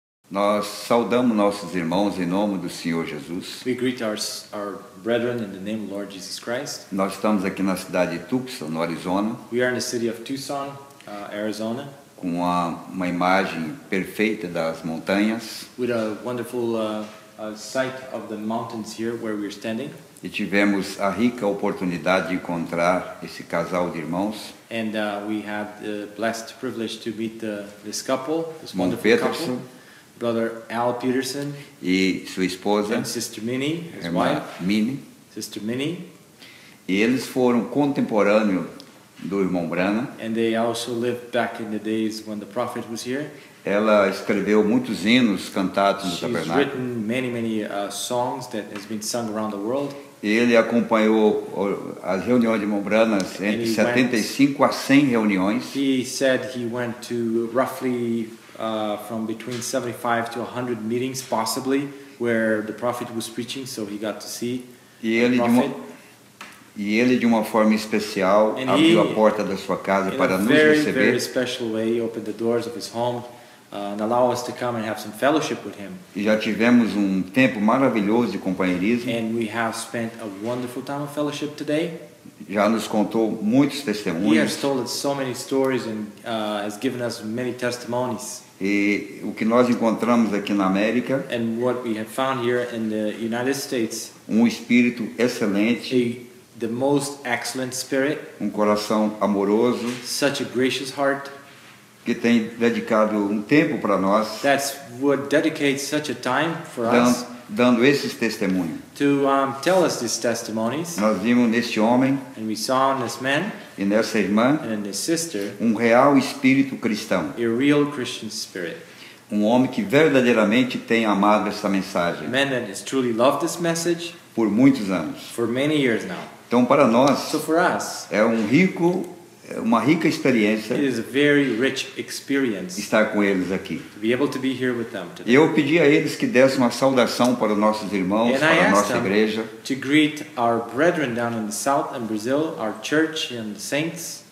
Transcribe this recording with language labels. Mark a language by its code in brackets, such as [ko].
[pt] Nós saudamos nossos irmãos em nome do Senhor Jesus. [en] We greet our brethren in the name of Lord Jesus Christ. [pt] Nós estamos aqui na cidade de Tucson, no Arizona. [en] We are in the city of Tucson, Arizona. [pt] Com uma imagem perfeita das montanhas. [en] With a wonderful sight of the mountains here where we are standing. [pt] E tivemos a rica oportunidade de encontrar esse casal de irmãos. [en] And we had the blessed privilege to meet this couple, this Mont wonderful Peterson. Couple. Brother Al Peterson [pt] e sua esposa, [en] and Sister Minnie, his [pt] irmã [en] wife, Minnie. Sister Minnie. [pt] E eles foram contemporâneos do irmão Branham. [en] And they also lived back in the days when the prophet was here. [pt] Ela escreveu muitos hinos cantados no tabernáculo. [en] She's written many songs that has been sung around the world. [pt] Ele acompanhou as reuniões de Mombranas entre 75 a 100 reuniões. [en] He said he went to roughly from between 75 to 100 meetings possibly where the prophet was preaching, so he got to see the prophet. [pt] E ele de uma forma especial abriu a porta da sua casa para nos receber. [en] In a very special way he opened the doors of his home and allow us to come and have some fellowship with him. [pt] E já tivemos tempo maravilhoso de companheirismo. [en] And we have spent a wonderful time of fellowship today. [pt] Já nos contou muitos testemunhos. [en] He has told us so many stories and has given us many testimonies. [pt] E o que nós encontramos aqui na América. [en] And what we have found here in the United States. [pt] Espírito excelente. [en] The most excellent spirit. [pt] Coração amoroso. [en] Such a gracious heart. [pt] Que tem dedicado tempo para nós. [en] That's what dedicates such a time for us. [pt] Dando esses testemunhos. [en] To tell us these testimonies. [pt] Nós vimos neste homem. [en] And we saw in this man. [pt] E nessa irmã. [en] And in this sister. [pt] Real espírito cristão. [en] A real Christian spirit. [pt] Homem que verdadeiramente tem amado essa mensagem. [en] A man that has truly loved this message. [pt] Por muitos anos. [en] For many years now. [pt] Então para nós. [en] So for us. [pt] É rico. Uma rica experiência. [en] It is a very rich experience. [pt] Estar com eles aqui. [en] To be able to be here with them today. [pt] E eu pedi a eles que dessem uma saudação para os nossos irmãos, [en] and [pt] para [en] I [pt] a nossa igreja. [en] To greet our brethren down in the south in Brazil, our church and the saints.